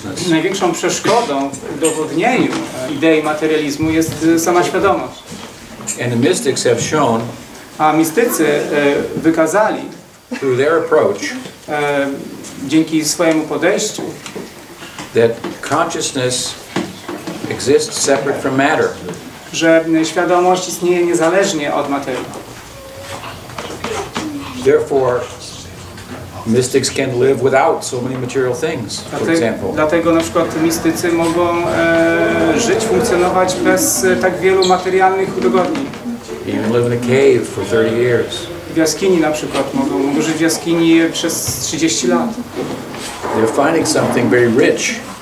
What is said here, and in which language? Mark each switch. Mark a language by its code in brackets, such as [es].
[pl] Największą przeszkodą w udowodnieniu idei materializmu jest sama świadomość. [en] And the mystics have shown, [pl] a mistycy wykazali [en] through their approach, [pl] dzięki swojemu podejściu, [en] that consciousness exists separate from matter. [pl] Że świadomość istnieje niezależnie od materii. [en] Therefore, mystics can live without so many material things, for example. [pl] Dlatego na przykład mistycy mogą żyć, funkcjonować bez tak wielu materialnych udogodnień. [en] Even live in a cave for 30 years. [pl] W jaskini na przykład mogą żyć w jaskini przez 30 lat. [en] They're finding something very rich.